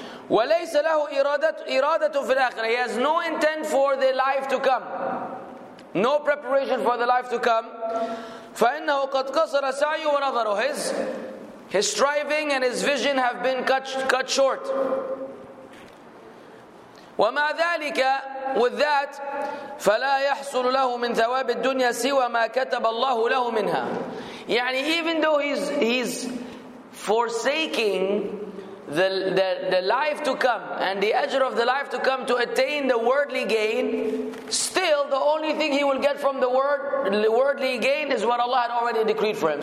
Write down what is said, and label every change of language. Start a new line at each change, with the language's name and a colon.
Arabic: وليس له إرادة في الآخرة.
English: He has no intent for the life to come. No preparation for the life to come.
Arabic: فَإِنَّهُ قَدْ قَصَرَ سَعْيُ وَنَظَرُ.
English: His striving and his vision have been cut short.
Arabic: وَمَا ذَلِكَ,
English: with that,
Arabic: فَلَا يَحْصُلُ لَهُ مِنْ ثَوَابِ الدُّنْيَا سِوَ مَا كَتَبَ اللَّهُ لَهُ مِنْهَا.
English: يعني even though he's forsaking the life to come and the ajr of the life to come to attain the worldly gain, still the only thing he will get from the worldly gain is what Allah had already decreed for him.